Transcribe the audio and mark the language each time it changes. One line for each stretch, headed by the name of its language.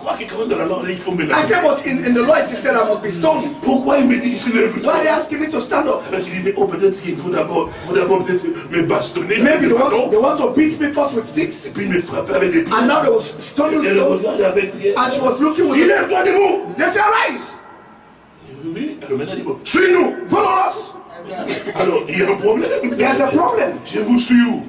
English: I said, but in the law it said I must be stoned.
French: Pourquoi il me dit qu'il se lève?
English: Why are they asking me to stand up?
French: Il dit, oh, peut-être qu'il faut d'abord peut-être me bastonner.
English: Maybe they want to beat me first with sticks.
French: Et puis me frapper avec des pieds.
English: And now they were stoning me. And she was looking with.
French: Il lève toi debout.
English: They said, arise.
French: Oui, elle m'a dit, suis-nous.
English: Follow us.
French: Alors, il y a un problème.
English: There's a problem.
French: Je vous suis où?